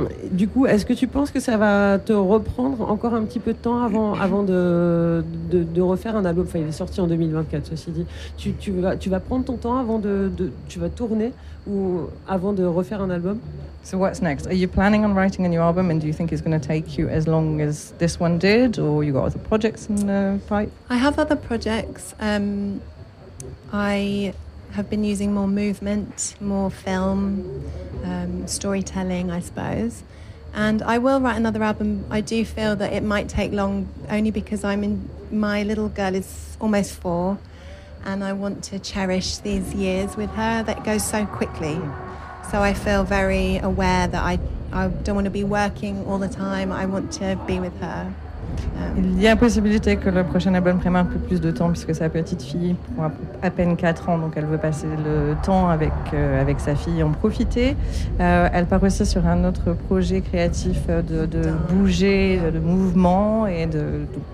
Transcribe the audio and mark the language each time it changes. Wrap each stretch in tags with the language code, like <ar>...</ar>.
<fr>Du coup, est-ce que tu penses que ça va te reprendre encore un petit peu de temps avant de refaire un album? Enfin, il est sorti en 2024, ceci dit. Tu vas prendre ton temps avant de tu vas tourner ou avant de refaire un album?</fr> <en>So what's next? Are you planning on writing a new album and do you think it's going to take you as long as this one did or you got other projects in the pipe? I have other projects. I have been using more movement, more film, storytelling, I suppose. And I will write another album. I do feel that it might take long only because my little girl is almost 4 and I want to cherish these years with her that goes so quickly. So I feel very aware that I don't want to be working all the time. I want to be with her.</en> <fr>Il y a possibilité que le prochain album prenne un peu plus de temps puisque sa petite fille a à peine 4 ans, donc elle veut passer le temps avec sa fille en profiter. Elle part aussi sur un autre projet créatif de bouger, de mouvement et de...</fr>